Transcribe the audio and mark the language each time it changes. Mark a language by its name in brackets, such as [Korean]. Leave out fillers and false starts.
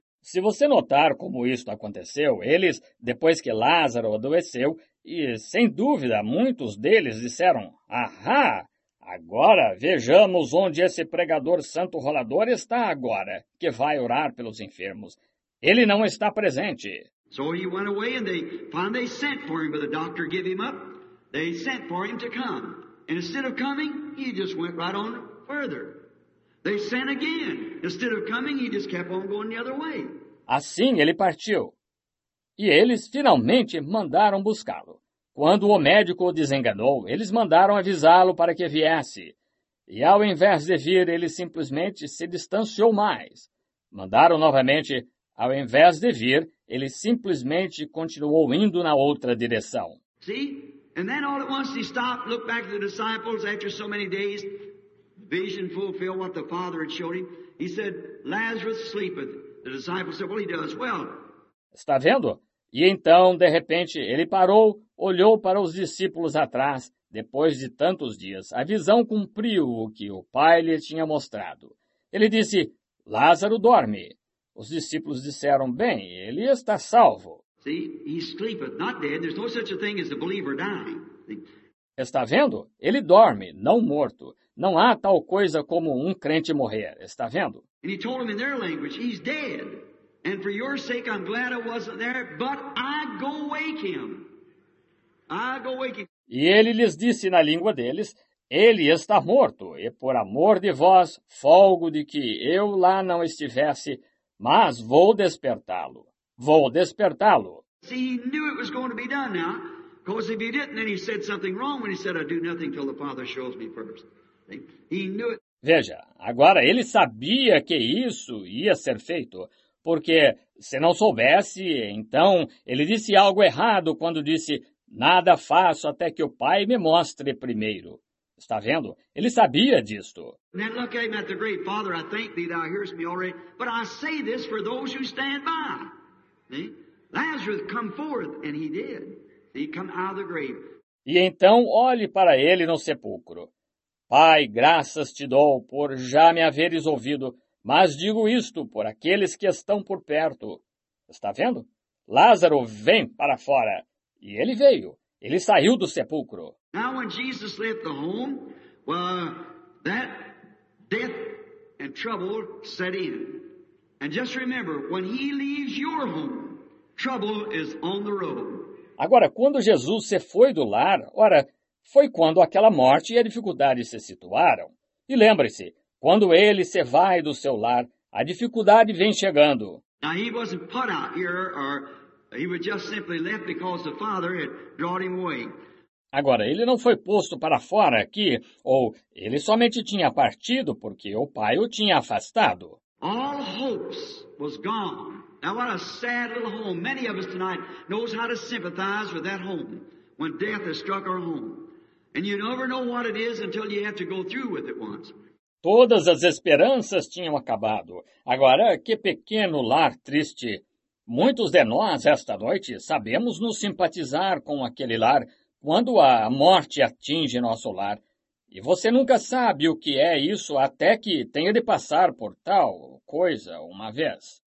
[Portuguese] Se você notar como isto aconteceu, eles, depois que Lázaro adoeceu, e sem dúvida muitos deles disseram, ahá, agora vejamos onde esse pregador santo rolador está agora, que vai orar pelos enfermos. Ele não está presente. [English] So he went away and they sent for him, but the doctor gave him up. They sent for him to come. And instead of coming, he just went right on further. They sent again. Instead of coming, he just kept on going the other way. [Portuguese] Assim ele partiu. E eles finalmente mandaram buscá-lo. Quando o médico o desenganou, eles mandaram avisá-lo para que viesse. E ao invés de vir, ele simplesmente se distanciou mais. Mandaram novamente. Ao invés de vir, ele simplesmente continuou indo na outra direção. [English] See? And then all at once he stopped, looked back at the disciples after so many days. Vision fulfilled what the Father had showed him. He said, Lazarus sleepeth. The disciples said, well, he does well. [Portuguese] Está vendo? E então, de repente, ele parou, olhou para os discípulos atrás. Depois de tantos dias, a visão cumpriu o que o Pai lhe tinha mostrado. Ele disse, Lázaro dorme. Os discípulos disseram, bem, ele está salvo. [English] See, he sleepeth, not dead. There's no such a thing as a believer dying. [Portuguese] Está vendo? Ele dorme, não morto. Não há tal coisa como um crente morrer. Está vendo? [English] And he told him in their language, he's dead. And for your sake, I'm glad I wasn't there, but I go wake him. I go wake him. [Portuguese] E ele lhes disse na língua deles, ele está morto, e por amor de vós, folgo de que eu lá não estivesse, mas vou despertá-lo. Vou despertá-lo. [English] See, he knew it was going to be done now. Because if he didn't, then he said something wrong when he said, I do nothing till the Father shows me first. He knew it. [Portuguese] Veja, agora ele sabia que isso ia ser feito, porque se não soubesse, então ele disse algo errado quando disse, nada faço até que o Pai me mostre primeiro. Está vendo? Ele sabia disto. [English] Now look at him at the great Father, I thank thee, thou hearest me already, but I say this for those who stand by. Lazarus, come forth, and he did. He come out of the grave. [Portuguese] E então olhe para ele no sepulcro. Pai, graças te dou por já me haveres ouvido, mas digo isto por aqueles que estão por perto. Está vendo? Lázaro, vem para fora. E ele veio. Ele saiu do sepulcro. [English] Now when Jesus left the home, well, that death and trouble set in. And just remember, when he leaves your home, trouble is on the road. [Portuguese] Agora, quando Jesus se foi do lar, ora, foi quando aquela morte e a dificuldade se situaram. E lembre-se, quando ele se vai do seu lar, a dificuldade vem chegando. [English] Now, he wasn't put out here, or he was just simply left because the Father had drawn him away. [Portuguese] Agora, ele não foi posto para fora aqui, ou ele somente tinha partido porque o Pai o tinha afastado. [English] All hopes was gone. Now, what a sad little home. Many of us tonight knows how to sympathize with that home when death has struck our home. And you never know what it is until you have to go through with it once. [Portuguese] Todas as esperanças tinham acabado. Agora, que pequeno lar triste. Muitos de nós, esta noite, sabemos nos simpatizar com aquele lar quando a morte atinge nosso lar. E você nunca sabe o que é isso até que tenha de passar por tal coisa uma vez.